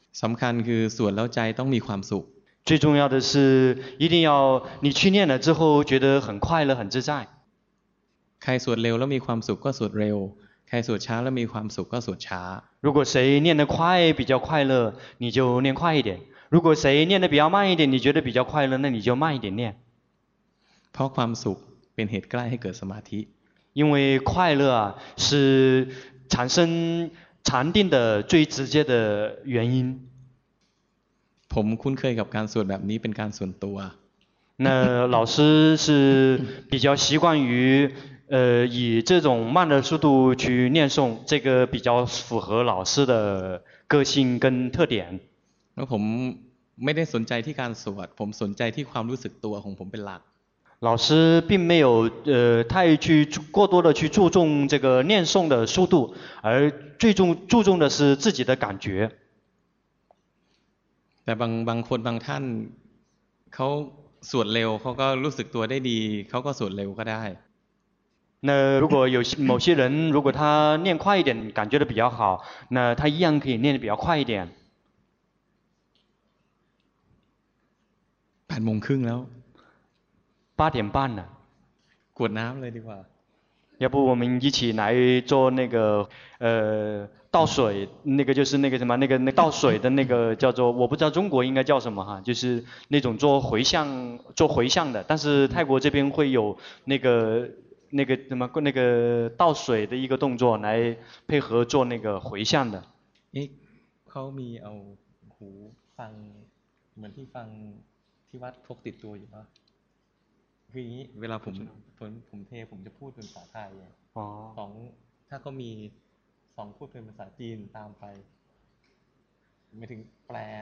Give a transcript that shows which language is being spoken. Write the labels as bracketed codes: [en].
[th] สำคัญคือสวดแล้วใจต้องมีความสุข [zh] 最重要的是一定要你去念了之后觉得很快乐很自在开锁流了没宽锁过锁流开锁叉了没宽锁过锁叉如果谁念得快比较快乐你就念快一点如果谁念得比较慢一点你觉得比较快乐那你就慢一点念 [th] เพราะความสุขเป็นเหตุใกล้ให้เกิดสมาธิ [zh] 因为快乐是产生禅定的最直接的原因 [th] ผมคุ้นเคยกับการสวดแบบนี้เป็นการส่วนตัว [zh] 那老师是比较习惯于以这种慢的速度去念诵这个比较符合老师的个性跟特点 [th] แล้วผมไม่ได้สนใจที่การสวดผมสนใจที่ความรู้สึกตัวของผมเป็นหลัก [zh] 老师并没有太去过多的去注重这个念诵的速度而最重注重的是自己的感觉 [th] แต่บางคนบางท่านเขาสวดเร็วเขาก็รู้สึกตัวได้ดีเขาก็สวดเร็วก็ได้ [zh] 那如果有某些人如果他念快一点感觉得比较好那他一样可以念得比较快一点 [th] แปดโมงครึ่งแล้ว [zh] 八点半了 [th] กวดน้ำเลยดีกว่า [zh] 要不我们一起来做那个倒水那个就是那个什么那个倒水的那个叫做我不知道中国应该叫什么哈就是那种做回向的但是泰国这边会有那个什么那个倒水的一个动作来配合做那个回向的 [th] 诶เขามีเอาหูฟังเหมือนที่ฟังที่วัดพกติดตัวอยู่ป่ะ คืออย่างนี้เวลาผมเทผมจะพูดเป็นภาษาไทยไงสองถ้าก็มีสองพูดเป็นภาษาจีนตามไปไม่ถึงแปล